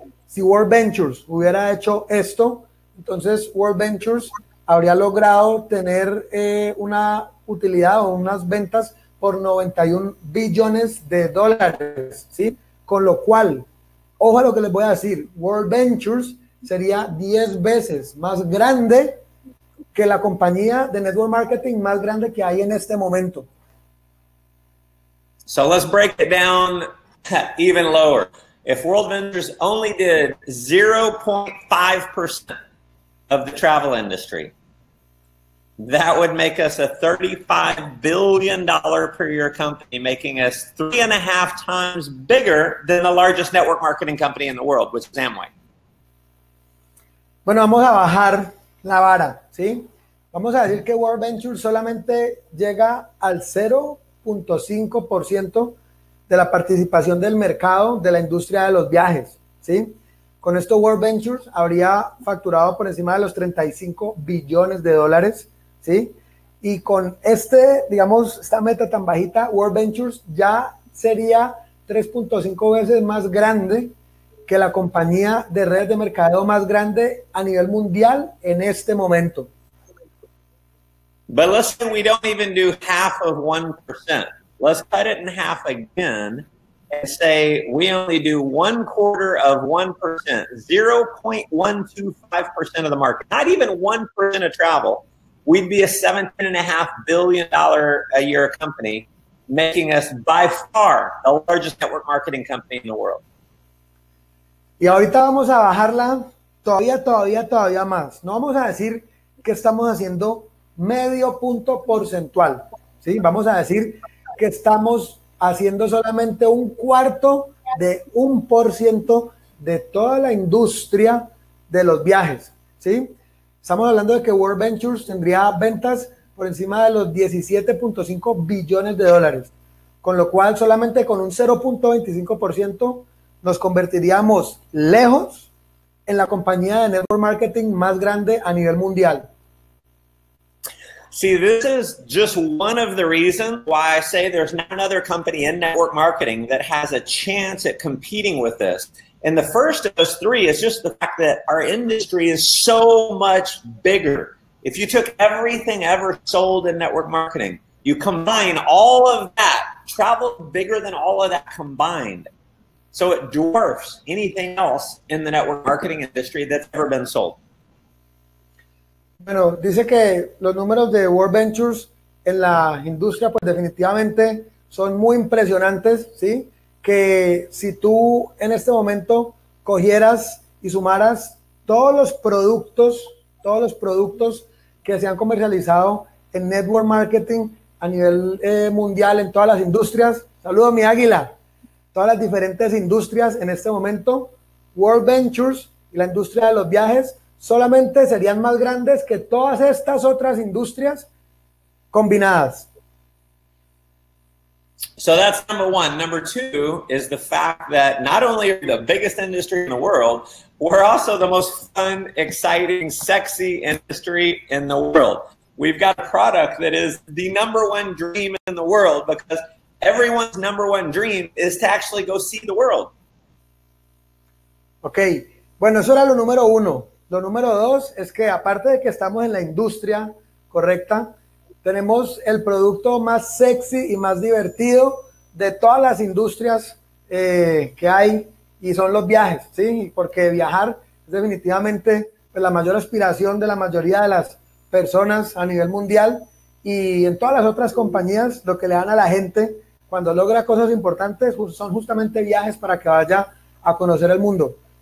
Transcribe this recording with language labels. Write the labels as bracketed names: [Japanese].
[Spanish] Si World Ventures hubiera hecho esto, entonces World Ventures habría logrado tener una utilidad o unas ventas por 91 billones de dólares, ¿sí? Con lo cual, ojo a lo que les voy a decir, World Ventures sería 10 veces más grande que la compañía de network marketing más grande que hay en este momento. [English] So let's break it down even lower. If World Ventures only did 0.5% of the travel industry, That would make us a $35 billion per year company, making us 3.5 times bigger than the largest network marketing company in the world, which is Amway. [Spanish] Bueno, vamos a bajar la vara, ¿sí? Vamos a decir que World Ventures solamente llega al 0.5% de la participación del mercado de la industria de los viajes, ¿sí? Con esto World Ventures habría facturado por encima de los 35 billones de dólares, ¿sí? Y con este, digamos, esta meta tan bajita, World Ventures ya sería 3.5 veces más grande que la compañía de redes de mercadeo más grande a nivel mundial en este momento. [English] But listen, we don't even do half of 1%. Let's cut it in half again and say we only do 1/4 of 1%, 0.125% of the market, not even 1% of travel. We'd be a $17.5 billion a year company, making us by far the largest network marketing company in the world. [Spanish] Y ahorita vamos a bajarla todavía más. No vamos a decir que estamos haciendo medio punto porcentual, ¿sí? Vamos a decir que estamos haciendo solamente 0.25% de toda la industria de los viajes, ¿sí? Estamos hablando de que World Ventures tendría ventas por encima de los 17.5 billones de dólares, con lo cual solamente con un 0.25% nos convertiríamos lejos en la compañía de network marketing más grande a nivel mundial. [English] See, this is just one of the reasons why I say there's not another company in network marketing that has a chance at competing with this. And the first of those three is just the fact that our industry is so much bigger. If you took everything ever sold in network marketing, you combine all of that, travel bigger than all of that combined. So it dwarfs anything else in the network marketing industry that's ever been sold. [Spanish] Bueno, dice que los números de World Ventures en la industria, pues definitivamente son muy impresionantes, ¿sí? Que si tú en este momento cogieras y sumaras todos los productos que se han comercializado en network marketing a nivel mundial en todas las industrias, saludo mi águila, todas las diferentes industrias en este momento, World Ventures y la industria de los viajes, solamente serían más grandes que todas estas otras industrias combinadas. [English] So that's number one. Number two is the fact that not only are we the biggest industry in the world, we're also the most fun, exciting, sexy industry in the world. We've got a product that is the number one dream in the world because everyone's number one dream is to actually go see the world. [Spanish] Okay. Bueno, eso era lo número uno. Lo número dos es que aparte de que estamos en la industria correcta, tenemos el producto más sexy y más divertido de todas las industrias que hay y son los viajes, ¿sí? Porque viajar es definitivamente pues, la mayor aspiración de la mayoría de las personas a nivel mundial y en todas las otras compañías lo que le dan a la gente cuando logra cosas importantes son justamente viajes para que vaya a conocer el mundo.